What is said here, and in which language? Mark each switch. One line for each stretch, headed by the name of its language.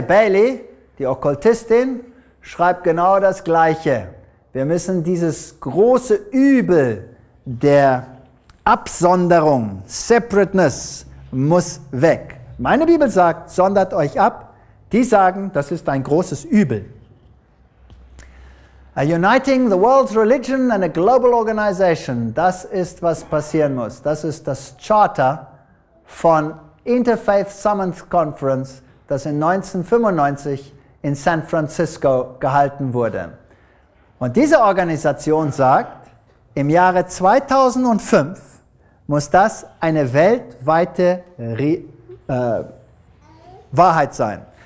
German: Bailey, die Okkultistin, schreibt genau das Gleiche. Wir müssen dieses große Übel der Absonderung, Separateness, muss weg. Meine Bibel sagt, sondert euch ab. Die sagen, das ist ein großes Übel.
English: A uniting the world's religion and a global organization,
German: das ist, was passieren muss. Das ist das Charter von Interfaith Summit Conference, das in 1995 in San Francisco gehalten wurde. Und diese Organisation sagt, im Jahre 2005 muss das eine weltweite Wahrheit sein.